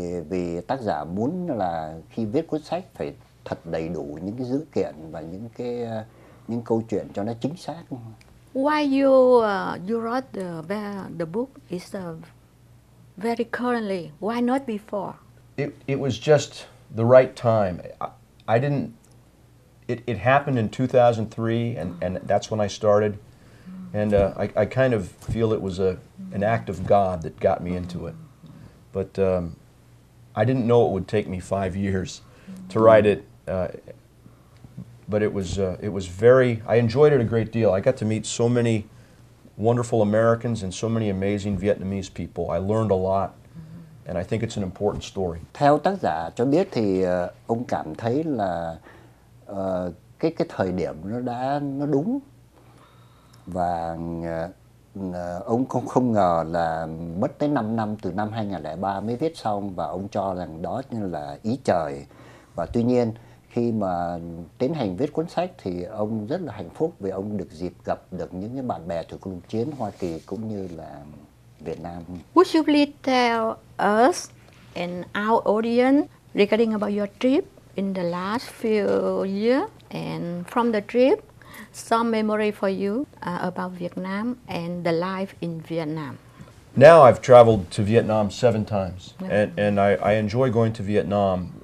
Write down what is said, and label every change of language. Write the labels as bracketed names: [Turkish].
[Vietnamese] Vì tác giả muốn là khi viết cuốn sách phải thật đầy đủ những cái dữ kiện và những câu chuyện cho nó chính xác. [English] Why you wrote the book is very currently, why not before? It was just the right time. It happened in 2003, and that's when I started, and I kind of feel it was an act of God that got me into it. But I didn't know it would take me 5 years to write it, but it was very, I enjoyed it a great deal. I got to meet so many wonderful Americans and so many amazing Vietnamese people. I learned a lot, and I think it's an important story. [Vietnamese] Theo tác giả cho biết thì ông cảm thấy là cái thời điểm nó đúng, và ông không ngờ là mất tới 5 năm từ năm 2003 mới viết xong, và ông cho rằng đó như là ý trời. Và tuy nhiên khi mà tiến hành viết cuốn sách thì ông rất là hạnh phúc vì ông được dịp gặp được những cái bạn bè thuộc lục chiến Hoa Kỳ cũng như là Việt Nam. [English] Would you please tell us and our audience regarding about your trip in the last few years, and from the trip some memory for you about Vietnam and the life in Vietnam? Now I've traveled to Vietnam 7 times, and I enjoy going to Vietnam.